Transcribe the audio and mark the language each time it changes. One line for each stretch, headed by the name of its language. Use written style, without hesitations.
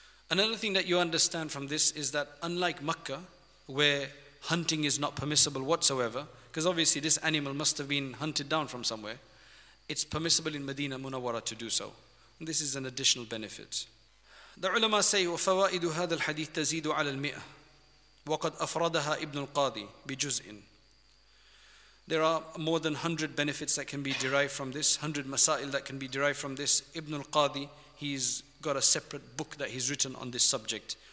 English: Another thing that you understand from this is that unlike Makkah, where hunting is not permissible whatsoever, because obviously this animal must have been hunted down from somewhere, it's permissible in Medina Munawwara to do so. And this is an additional benefit. The ulama say,
Arabic: وَفَوَائِدُ هَذَا الْحَدِيثِ تَزِيدُ عَلَى الْمِئَةِ وَقَدْ أَفْرَدَهَا إِبْنُ الْقَاضِي بِجُزْءٍ.
English: There are more than 100 benefits that can be derived from this, 100 masail that can be derived from this. Ibn al-Qadi, he's got a separate book that he's written on this subject.